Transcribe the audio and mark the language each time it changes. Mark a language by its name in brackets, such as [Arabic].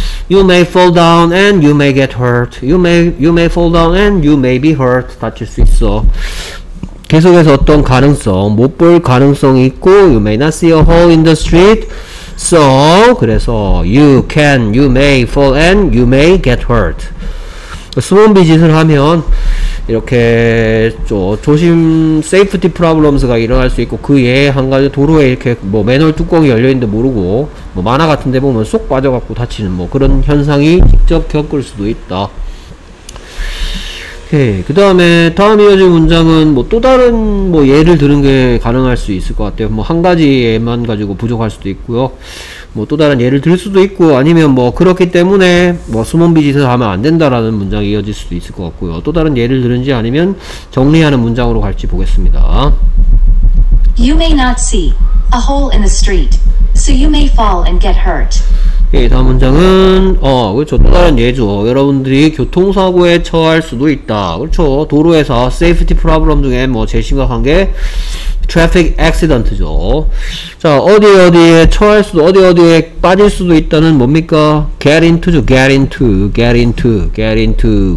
[English] You may fall down and you may get hurt. You may fall down and you may be hurt. [Korean] 다칠 수 있어. 계속해서 어떤 가능성, 못 볼 가능성이 있고 [English] you may not see a hole in the street. So, [Korean] 그래서 [English] you can, you may fall and you may get hurt. [Korean] 수범비 짓을 하면 이렇게 조심 [English] safety problems [Korean] 가 일어날 수 있고 그 외에 한 가지 도로에 이렇게 뭐 맨홀 뚜껑이 열려 있는데 모르고 뭐 만화 같은 데 보면 쏙 빠져 갖고 다치는 뭐 그런 현상이 직접 겪을 수도 있다. 오케이. 그다음에 다음 이어질 문장은 뭐 또 다른 뭐 예를 드는 게 가능할 수 있을 것 같아요. 뭐 한 가지에만 가지고 부족할 수도 있고요. 뭐 또 다른 예를 들 수도 있고 아니면 뭐 그렇기 때문에 뭐 수문비 짓을 하면 안 된다라는 문장이 이어질 수도 있을 것 같고요. 또 다른 예를 들은지 아니면 정리하는 문장으로 갈지 보겠습니다. [English] You may not see a hole in the street, so you may fall and get hurt. [Korean] 예, 다음 문장은 그렇죠. 또 다른 예죠. 여러분들이 교통사고에 처할 수도 있다. 그렇죠. 도로에서 [English] safety problem [Korean] 중에 뭐 제일 심각한 게 [English] traffic accident [Korean] 죠. 자, 어디 어디에 처할 수도, 어디 어디에 빠질 수도 있다는 뭡니까? [English] get into죠. get into, get into, get into.